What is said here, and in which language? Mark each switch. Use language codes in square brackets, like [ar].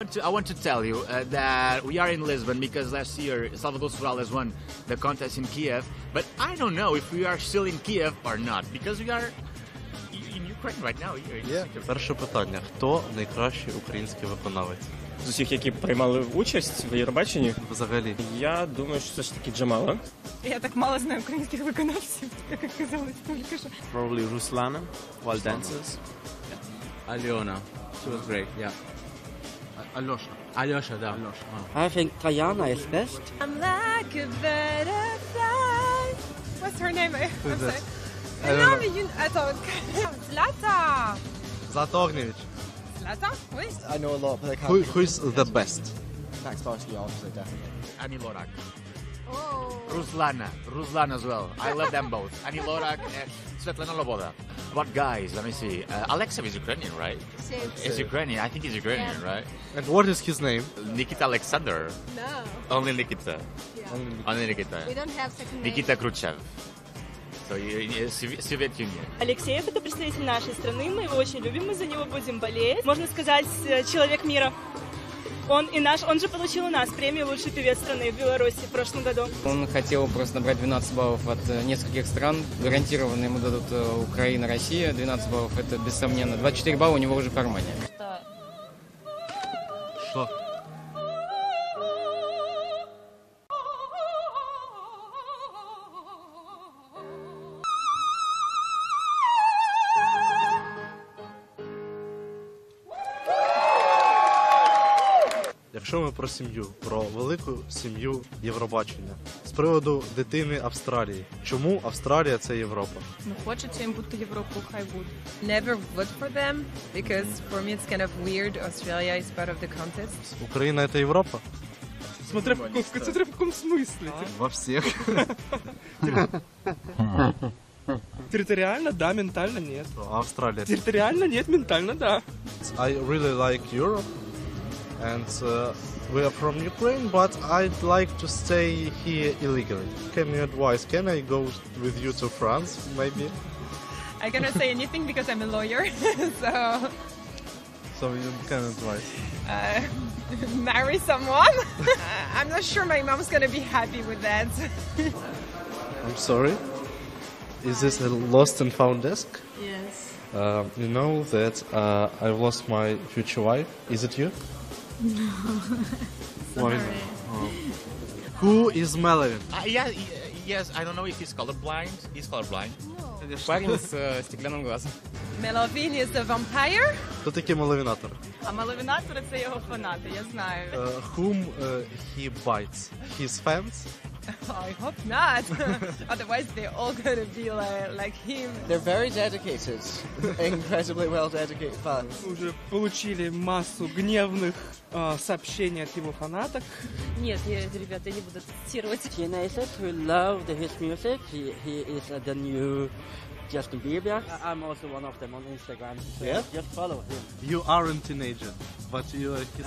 [en] I want to tell you that we are in Lisbon because last year Salvador Sorales won the contest in Kiev, but I don't know if we are still in Kiev or not because we are in Ukraine right now. Yeah. [uk] Перше питання. Хто найкращий український виконавець? З усіх, які приймали участь в Євробаченні? Взагалі. Я думаю, що це ж таки Джамала. Я так мало знаю українських виконавців, як оказалось, тільки що. [en] Probably Руслана, Wild Dancers. Yeah. Альона. She was great, yeah. Alyosha. Alyosha, да. Alyosha. I think Tayana is best. I'm like a butterfly. What's her name? Zlata. Zlata Ognevich. Zlata? Who is? I know a lot, but I can't. Who's the best? Thanks, Varsity, obviously, definitely. Annie Lorak. Oh. Ruslana as well. I love them both. Annie Lorak and Svetlana Loboda. What guys? Let me see. Alexev is Ukrainian, right? Same. Ukrainian. I think he's Ukrainian, yeah. Right? And what is his name? Nikita Alexander. No. Only Nikita. Yeah. Only Nikita. We don't have second name. [uk] Nikita Khrushchev. То є Совєт Юніон. Алексей – це представник нашої країни. Ми його дуже любимо, за нього будемо боліти. Можна сказати, чоловік світу. [ru] Он и наш, он же получил у нас премию «Лучший певец страны» в Беларуси в прошлом году. Он хотел просто набрать 12 баллов от нескольких стран. Гарантированно ему дадут Украина, Россия. 12 баллов – это бессомненно. 24 балла у него уже в кармане. Что? [uk] Якщо ми про сім'ю, про велику сім'ю Євробачення. З приводу дитини Австралії. Чому Австралія – це Європа? Ну, хочеться їм бути Європою, хай будуть. [en] Never vote for them, because for me it's kind of weird, Australia is part of the contest. [uk] Україна – це Європа? Смотря в якому смислі. Во всіх. Територіально – да, ментально – ні. Австралія? Територіально – ні, ментально – да. [en] I really like Europe. And we are from Ukraine, but I'd like to stay here illegally. Can you advise? Can I go with you to France, maybe? I cannot say anything because I'm a lawyer, so... So you can advise? Marry someone? I'm not sure my mom's gonna be happy with that. I'm sorry? Is this a lost and found desk? Yes. You know that I've lost my future wife. Is it you? No. Sorry. Why? Oh. Who is Меловін? Yes, I don't know if he's colorblind. He's colorblind. No. [ru] Парень з стекляним глазом. [en] Меловін is the vampire? [uk] Хто такий Меловінатор? А Меловінатор – це його фанати, я знаю. [en] Whom he bites? His fans? I hope not. Otherwise, they're all gonna be like him. They're very dedicated. Incredibly well dedicated fans. [ru] Уже получили массу гневных сообщений от его фанаток. Нет, ребята, я не буду цитировать. [en] Tina is it who loved his music. He is the new Justin Bieber. I'm also one of them on Instagram. So yeah? Just follow him. You aren't a teenager, but you are his